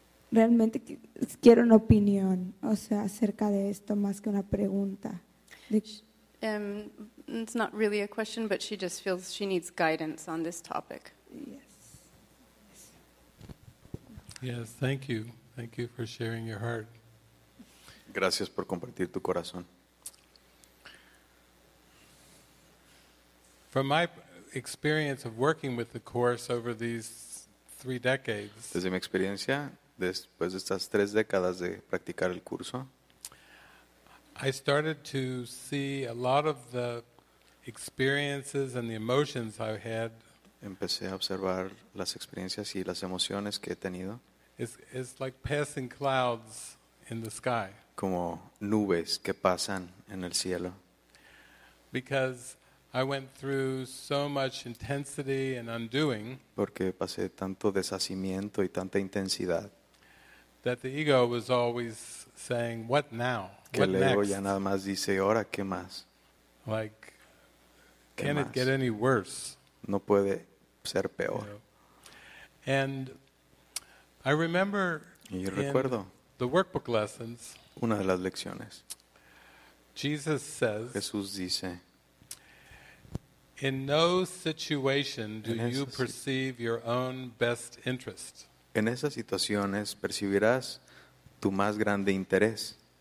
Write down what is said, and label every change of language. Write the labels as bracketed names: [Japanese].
[Spanish] Realmente quiero una opinión, o sea, acerca de esto más que una pregunta. [English] It's not really a question, but she just feels she needs guidance on this topic. Yes, thank you. Thank you for sharing your heart. [Spanish] Gracias por compartir tu corazón. [English] From my experience of working with the Course over these 3 decades. [Spanish] Desde mi experiencia, después de estas 3 décadas de practicar el curso, [English] I started to see a lot of the experiences and the emotions I had. [Spanish] Empecé a observar las experiencias y las emociones que he tenido. [English] It's like passing clouds in the sky. [Spanish] Como nubes que pasan en el cielo. [English] Because I went through so much intensity and undoing. [Spanish] Porque pasé tanto deshacimiento y tanta intensidad. [English] That the ego was always saying, "What now? [Spanish] Que el ego ya nada más dice, ahora qué más. [English] Like, can it get any worse? [Spanish] No puede ser peor. [English] And I remember the workbook lessons. [Spanish] Una de las lecciones. [English] Jesus says. [Spanish] Jesús dice. [English] In no situation do you perceive your own best interest. [Spanish] En esas situaciones percibirás tu más grande interés.